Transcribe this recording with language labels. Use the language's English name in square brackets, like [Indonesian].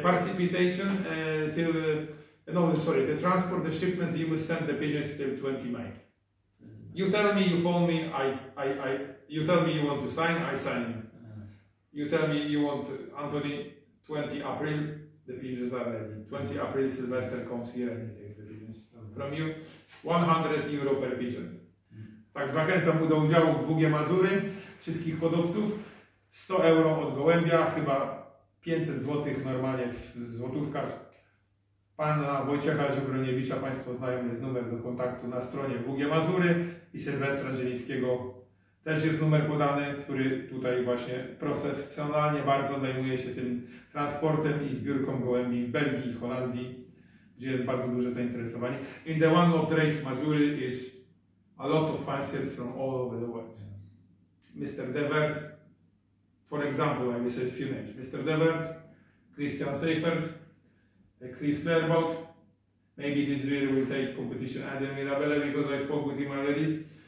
[English] precipitation till no, sorry, the transport, the shipments, you will send the pigeons till 20 May. You tell me, you phone me, I you tell me you want to sign, I sign. You tell me you want to, Anthony, 20 April, the pigeons are ready. 20 April, Sylvester comes here and he takes the pigeons from you. 100 euro per pigeon. [Polish] Tak, zachęcam do udziału w WG Mazury, wszystkich hodowców. 100 euro od gołębia, chyba 500 zł normalnie w złotówkach. Pana Wojciecha Ziobroniewicza Państwo znają, jest numer do kontaktu na stronie WG Mazury i Sylwestra Zielińskiego. Też jest numer podany, który tutaj właśnie profesjonalnie bardzo zajmuje się tym transportem i zbiórką gołębi w Belgii i Holandii, gdzie jest bardzo duże zainteresowanie. [English] In the one of the race Mazury is a lot of fanciers from all over the world. Mr. Devert, for example, I will say a few names. Mr. Devert, Christian Seifert, Chris Clairbout, maybe this year will take competition Adam Mirabelle because I spoke with him already.